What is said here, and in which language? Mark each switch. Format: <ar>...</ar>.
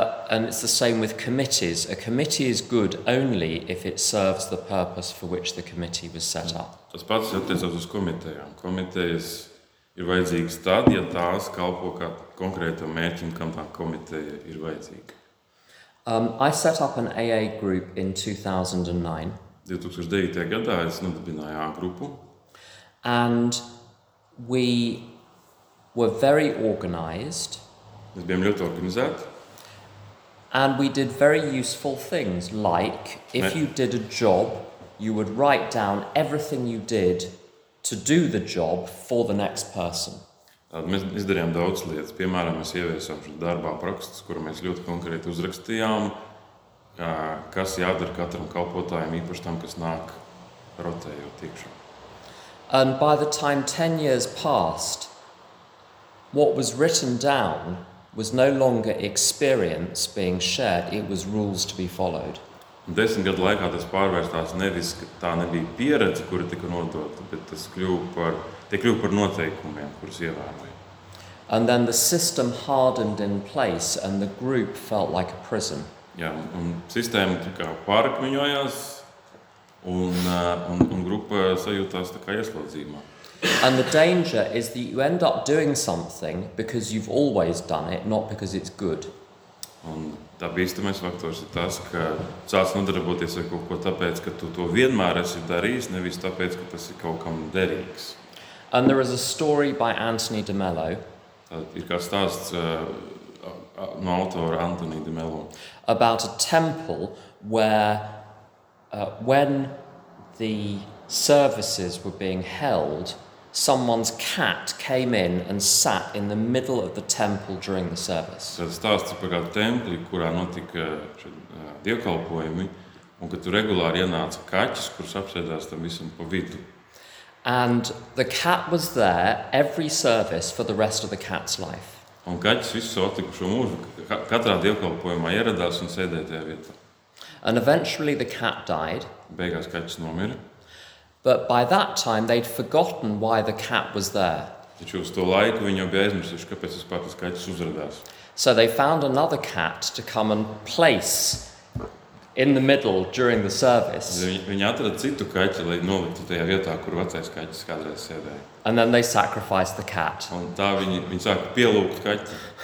<en>And it's the same with committees. A committee is good only if it serves the purpose for which the committee was set up.</en> <lv>Tas pats attiecas uz komitejām. Komitejas ir vajadzīgas tad, ja tās kalpo kā konkrētam mērķim, kam tā komiteja ir vajadzīga.</lv> <en>I set up an AA group in 2009.</en> <lv>2009. Gadā es nodibināju AA grupu.</lv> <en>And we were very organized.</en> <lv>Mēs bijām ļoti organizēti.</lv> <en>And we did very useful things, like if you did a job, you would write down everything you did to do the job for the next person.</en> <lv>Mēs izdarījām daudz lietas. Piemēram, mēs ieviesām šo darbā aprakstus, kuru mēs ļoti konkrēti uzrakstījām, kas jādara katram kalpotājam, īpaši tam, kas nāk rotējot tikšu.</lv> <en>And by the time 10 years passed, what was written down was no longer experience being shared, it was rules to be followed.</en> <lv>10 gadu laikā tas pārvērstās nevis, ka tā nebija pieredze, kura tika nodota, bet tas kļuva par noteikumiem, kuras ievēroja.</lv> <en>And then the system hardened in place and the group felt like a prison.</en> <lv>Jā, un sistēma tikai pārakmeņojās un grupa sajūtās tā kā ieslodzījumā.</lv> <en>And the danger is that you end up doing something because you've always done it, not because it's good.</en> <lv>Un tā bīstamais faktors ir tas, ka sāc nodarboties ar kaut ko tāpēc, ka tu to vienmēr esi darījis, nevis tāpēc, ka tas ir kaut kam derīgs.</lv> <en>And there is a story by Anthony de Mello.</en> <lv>Tad ir kāds stāsts no autora Anthony de Mello.</lv> <en>About a temple where when the services were being held, someone's cat came in and sat in the middle of the temple during the service.</en> <lv>Tad stāsts par kādu templi, kurā notika šie dievkalpojumi, un ka tur regulāri ienāca kaķis, kurš apsēdās tam visam pa vidu.</lv> <en>And the cat was there every service for the rest of the cat's life.</en> <lv>Un kaķis visu savu atlikušo mūžu katrā dievkalpojumā ieradās un sēdēja tajā vietā.</lv> <en>And eventually the cat died.</en> <lv>Beigās kaķis nomira.</lv> <en>But by that time they'd forgotten why the cat was there.</en> <lv>Taču uz to laiku viņi jau bija aizmirsuši, kāpēc vispār tas kaķis uzradās.</lv> <en>So they found another cat to come and place in the middle during the service.</en> <lv>Viņi atrada citu kaķi, lai noliktu tajā vietā, kur vecais kaķis kādreiz sēdēja.</lv> <en>And then they sacrificed the cat.</en> <lv>Un tā viņi sāka pielūgt kaķi.</lv>